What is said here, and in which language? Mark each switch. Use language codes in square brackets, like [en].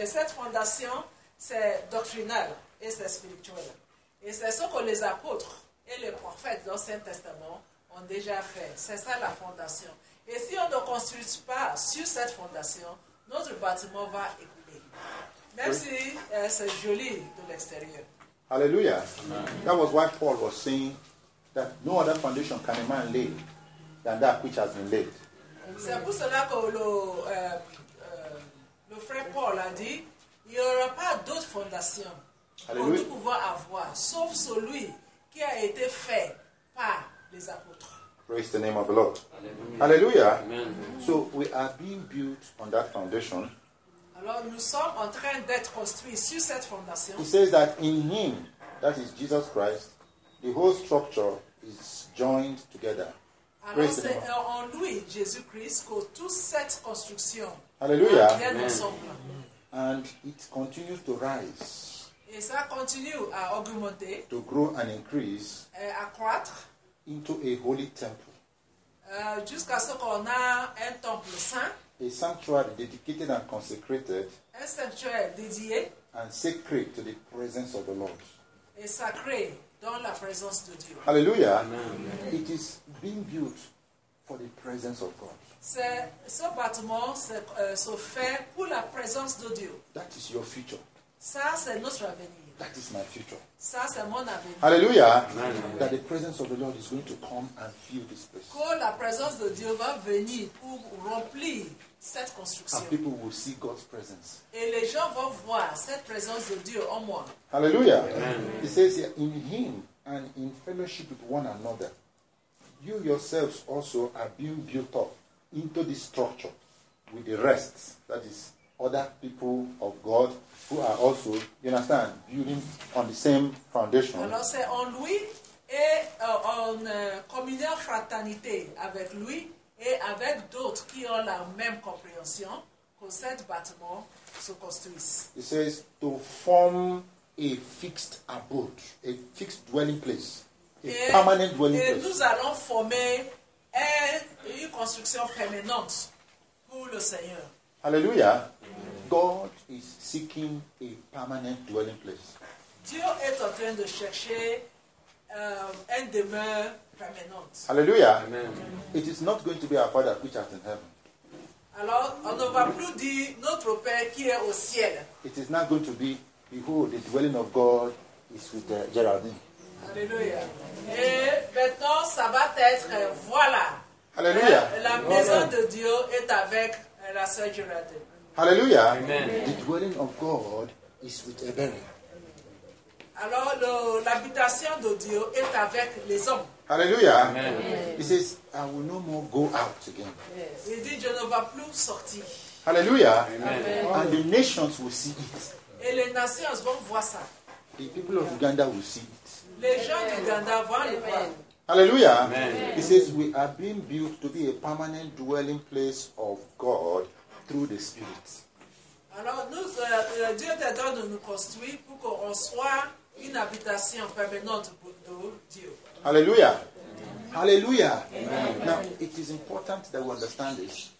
[fr] Et cette fondation, c'est doctrinale et c'est spirituel. Et c'est ce que les apôtres et les prophètes dans l'Ancien Testament ont déjà fait. C'est ça la fondation. Et si on ne construit pas sur cette fondation, notre bâtiment va écouler. Même si c'est joli de l'extérieur. Alléluia. [en] That was why Paul was saying that no other foundation can a man lay than that which has been laid. [fr] C'est pour cela que le frère Paul a dit, il n'y aura pas d'autre fondation que nous pouvons avoir, sauf celui qui a été fait par les apôtres. [en] Praise the name of the Lord. [fr] Alléluia. Alléluia. Amen. [en] So we are being built on that foundation. [fr] Alors nous sommes en train d'être construits sur cette fondation. [en] He says that in him, that is Jesus Christ, the whole structure is joined together. [fr] Alors c'est en lui, Jésus-Christ, que toute cette construction Alléluia. Vient ensemble. [en] And it continues to rise. [fr] Et ça continue à augmenter. [en] To grow and increase. [fr] Et à croître. [en] Into a holy temple. [fr] Jusqu'à ce qu'on a un temple saint. [en] A sanctuary dedicated and consecrated. [fr] Un sanctuaire dédié. [en] And sacred to the presence of the Lord. [fr] Et sacré. Dans la présence de Dieu. [en] Hallelujah. Amen. It is being built for the presence of God. [fr] Ce bâtiment se fait pour la présence de Dieu. [en] That is your future. [fr] Ça, c'est notre avenir. [en] That is my future. [fr] Ça, c'est mon avenir. [en] Hallelujah. Amen. That the presence of the Lord is going to come and fill this place. [fr] Que la présence de Dieu va venir pour remplir cette construction. [en] And people will see God's presence. [fr] Et les gens vont voir cette présence de Dieu en moi. [en] Hallelujah. Amen. It says here, in him and in fellowship with one another, you yourselves also are being built up into this structure with the rest, that is, other people of God who are also, you understand, building on the same foundation. [fr] Alors c'est en lui et en communion fraternité avec lui et avec d'autres qui ont la même compréhension que cet bâtiment se construise. [en] It says to form a fixed abode, a fixed dwelling place, a permanent dwelling [fr] Et nous allons former une construction permanente pour le Seigneur. [en] Hallelujah. God is seeking a permanent dwelling place. [fr] Dieu est en train de chercher un demeure permanente. [en] Hallelujah. Amen. It is not going to be our Father which art in heaven. [fr] Alors, on ne va plus dire notre Père qui est au ciel. [en] It is not going to be, behold, the dwelling of God is with Geraldine. [fr] Hallelujah. Et maintenant, ça va être, voilà. [en] Hallelujah. [fr] La maison de Dieu est avec la sœur Geraldine. [en] Hallelujah. Amen. The dwelling of God is with Eberi. [fr] Alors, l'habitation de Dieu est avec les hommes. [en] Hallelujah. Amen. He says, I will no more go out again. [fr] Yes. Il dit, je ne vais plus sortir. [en] Hallelujah. Amen. And the nations will see it. [fr] Et les nations vont voir ça. [en] The people of Uganda will see it. [fr] Les gens d'Uganda vont le voir. [en] Hallelujah. Amen. He says, we are being built to be a permanent dwelling place of God. Through the Spirit. [fr] Alors nous, Dieu est en train de nous construire pour qu'on soit une habitation permanente de Dieu. [en] Hallelujah. Amen. Hallelujah. Amen. Now it is important that we understand this.